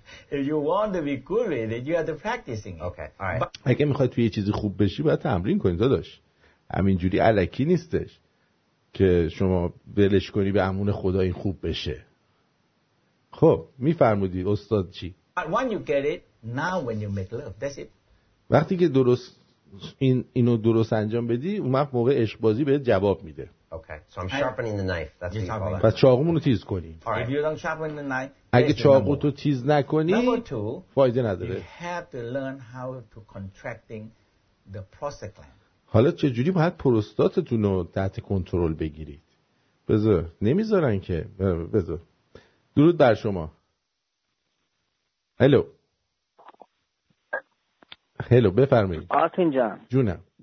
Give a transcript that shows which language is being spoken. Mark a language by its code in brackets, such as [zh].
[en] If you want to be cool with it, you have to practice. Okay. All right. [fa] اگه میخواید توی یه چیزی خوب بشی باید تمرین کنی داداش. همینجوری الکی نیستش که شما ولش کنی به امون خدا این خوب بشه. خب میفرمودی استاد چی؟ [en] When you get it, now when you make love, that's it. [fa] وقتی که درست اینو درست انجام بدی اون وقت موقع عشق بازی بهت جواب میده. [en] Okay. So I'm sharpening the knife. That's what you call it. [fa] پس چاقومونو تیز کنی. [en] Right. If you don't sharpen the [fa] knife, اگه چاقوتو تیز نکنی فایده نداره. [en] You have to learn how to contracting the prostate gland. [fa] حالا چجوری باید پروستاتتون رو تحت کنترل بگیرید؟ بذار نمیذارن که بذار. درود بر شما. هلو. هلو بفرمایید. آرتین جان. جونم.